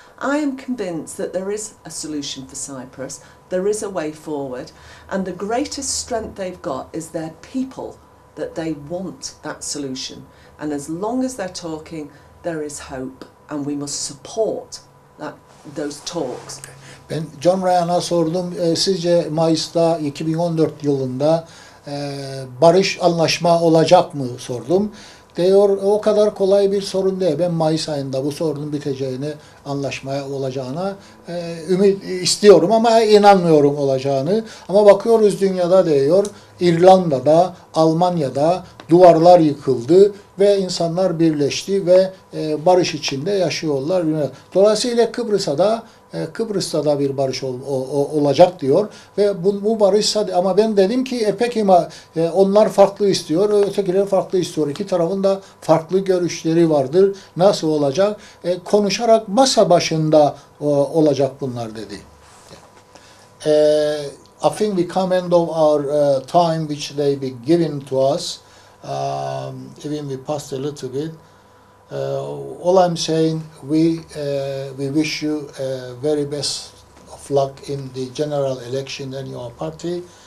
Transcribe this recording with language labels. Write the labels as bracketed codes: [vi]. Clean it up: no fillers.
[en] I am convinced that there is a solution for Cyprus, there is a way forward, and the greatest strength they've got is their people, that they want that solution. And as long as they're talking, there is hope, and we must support that, those talks. [tr] Ben John Ryan'a sordum, sizce Mayıs'ta 2014 yılında barış anlaşma olacak mı sordum. Diyor, o kadar kolay bir sorun değil. Ben Mayıs ayında bu sorunun biteceğini, anlaşmaya olacağına ümit istiyorum ama inanmıyorum olacağını. Ama bakıyoruz dünyada diyor, İrlanda'da, Almanya'da duvarlar yıkıldı ve insanlar birleşti ve barış içinde yaşıyorlar. Dolayısıyla Kıbrıs'ta da bir barış olacak diyor ve bu barış, ama ben dedim ki peki onlar farklı istiyor, ötekiler farklı istiyor, iki tarafın da farklı görüşleri vardır, nasıl olacak, konuşarak masa başında olacak bunlar dedi. [en] I think we come end of our time which they be given to us, even we passed a little bit. All I'm saying, we wish you very best of luck in the general election and your party.